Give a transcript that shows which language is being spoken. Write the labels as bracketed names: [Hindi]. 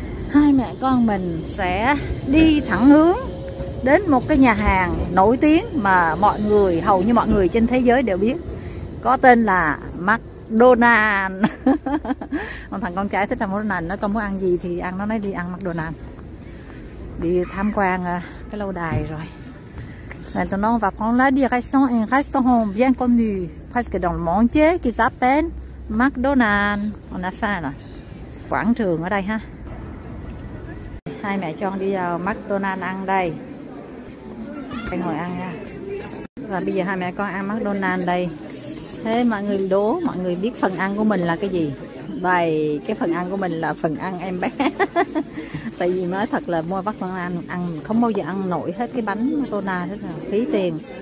[Vietnamese] Hai mẹ con mình sẽ đi thẳng hướng đến một cái nhà hàng nổi tiếng mà hầu như mọi người trên thế giới đều biết, có tên là McDonald's. Thằng con trai thích ăn McDonald's, nó không muốn ăn gì thì ăn, nó nói đi ăn McDonald's. Đi tham quan cái lâu đài rồi. [French] Maintenant on va prendre la direction un restaurant bien connu presque dans le monde entier qui s'appelle McDonald's. On a faim là. [Vietnamese] Quảng trường ở đây ha. Hai mẹ con đi vào McDonald's ăn đây. Hãy ngồi ăn nha. Và bây giờ hai mẹ con ăn McDonald's đây. Thế mọi người đố, mọi người biết phần ăn của mình là cái gì? Đây, cái phần ăn của mình là phần ăn em bé. Tại vì nói thật là mua bắt con ăn không bao giờ ăn nổi hết cái bánh McDonald's hết, là phí tiền.